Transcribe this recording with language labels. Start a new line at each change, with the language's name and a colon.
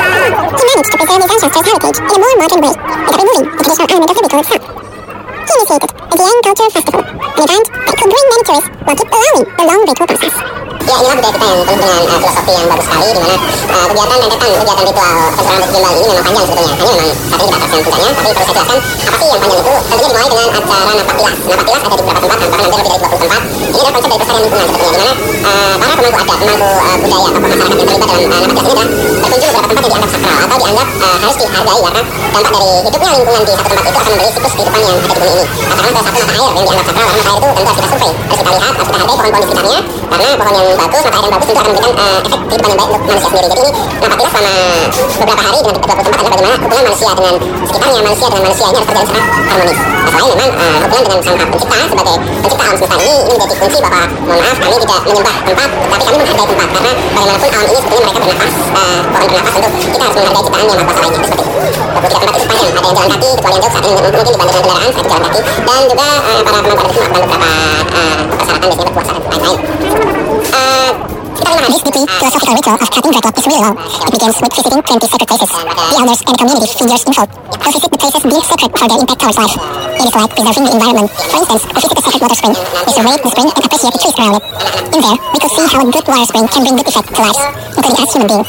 English: He managed to preserve his ancestors' heritage in a more modern way, without removing the traditional element of the ritual itself. He initiated the Dieng Culture Festival, an event that could bring many tourists while keep allowing the long ritual process.
Indonesian: Ya, inilah budaya kita yang penuh dengan filosofi yang bagus sekali, di mana kegiatan rentetan, kegiatan ritual pencerahan bersih kembali ini memang panjang sebetulnya. Hanya memang saat ini kita atas yang puncaknya, tapi perlu saya jelaskan, apa sih yang panjang itu? Tentunya dimulai dengan acara Napak Tilas. Napak Tilas ada di beberapa tempat, antara nanti lebih dari 20 tempat. Ini adalah konsep dari pesan lingkungan sebetulnya, di mana para pemangku adat, pemangku budaya, atau masyarakat yang terlibat dalam Napak Tilas ini adalah berkunjung beberapa tempat yang dianggap sakral, atau dianggap harus dihargai, karena dampak dari hidupnya lingkungan di satu tempat itu akan memberi siklus kehidupan yang ada di bumi ini. Karena salah satu mata air yang dianggap sakral, mata air itu tentu harus kita survei, harus kita lihat, harus kita hargai pohon-pohon di sekitarnya, karena pohon yang bagus, mata air yang bagus tentu akan memberikan efek kehidupan yang baik untuk manusia sendiri. Jadi ini Napak Tilas selama beberapa hari dengan 20 tempat adalah bagaimana hubungan manusia dengan sekitarnya, manusia dengan manusia ini harus terjadi secara harmonis. Selain memang hubungan dengan sang pencipta sebagai pencipta alam semesta ini menjadi kunci bahwa mohon maaf kami tidak menyembah tempat, tapi kami menghargai tempat karena bagaimanapun alam ini sebetulnya mereka bernapas, pohon bernapas untuk kita harus menghargai ciptaan yang maha lainnya. Seperti 23 tempat itu sepanjang ada yang jalan kaki, kecuali yang jauh saat ini mungkin dibantu dengan kendaraan saat jalan kaki, dan juga para teman-teman itu melakukan beberapa persyaratan biasanya berpuasa dan lain-lain.
English: This deeply philosophical ritual of cutting dreadlock is really long. It begins with visiting 20 sacred places. The elders and the community figures involved will visit the places deemed sacred for their impact towards life. It is like preserving the environment. For instance, we visit the sacred water spring. We survey the spring and appreciate the trees around it. In there, we could see how a good water spring can bring good effect to lives, including us human beings.